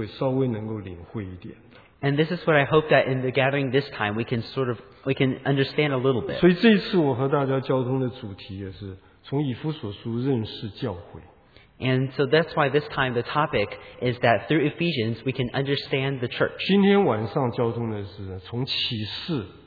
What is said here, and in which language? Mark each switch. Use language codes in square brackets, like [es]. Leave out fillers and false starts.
[zh] 这是今天我们盼望这一次我们聚会稍微能够领会一点的。 [en] And this is what I hope that in the gathering this time we can understand a little bit. [zh] 所以这一次我和大家交通的主题也是从以弗所书认识教会。 [en] And so that's why this time the topic is that through Ephesians we can understand the church. [zh] 今天晚上交通的是从启示。